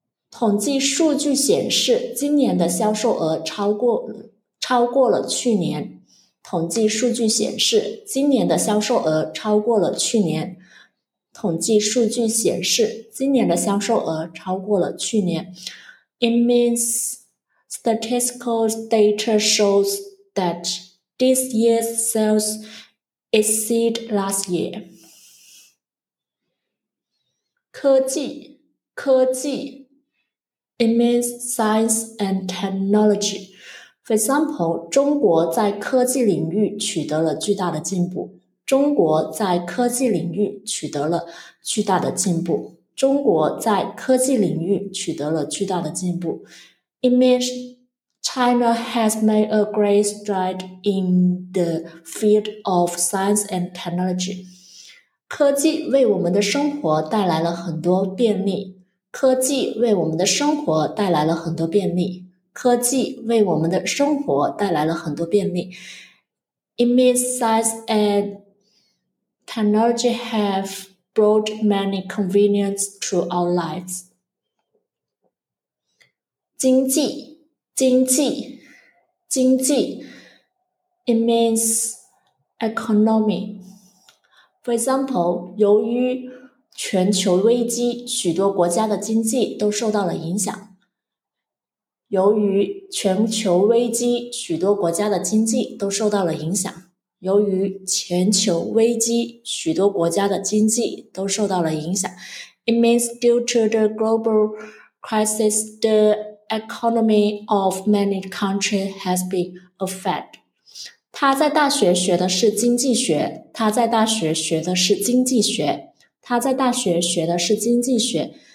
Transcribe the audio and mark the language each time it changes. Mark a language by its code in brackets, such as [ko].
[zh] 统计数据显示，今年的销售额超过了去年。统计数据显示，今年的销售额超过了去年。统计数据显示，今年的销售额超过了去年。 [en] It means statistical data shows that this year's sales exceed last year. [zh] 科技，科技。 [en] It means science and technology. For example, [zh] 中国在科技领域取得了巨大的进步。中国在科技领域取得了巨大的进步。中国在科技领域取得了巨大的进步。 [en] It means China has made a great stride in the field of science and technology. [zh] 科技为我们的生活带来了很多便利。科技为我们的生活带来了很多便利。科技为我们的生活带来了很多便利。 [en] It means science and technology have brought many conveniences to our lives. [zh] 经济，经济，经济。 [en] It means economy. For example, [zh] 由于全球危机，许多国家的经济都受到了影响。由于全球危机，许多国家的经济都受到了影响。由于全球危机，许多国家的经济都受到了影响。 [en] It means due to the global crisis, the economy of many countries has been affected. [zh] 他在大学学的是经济学。他在大学学的是经济学。他在大学学的是经济学。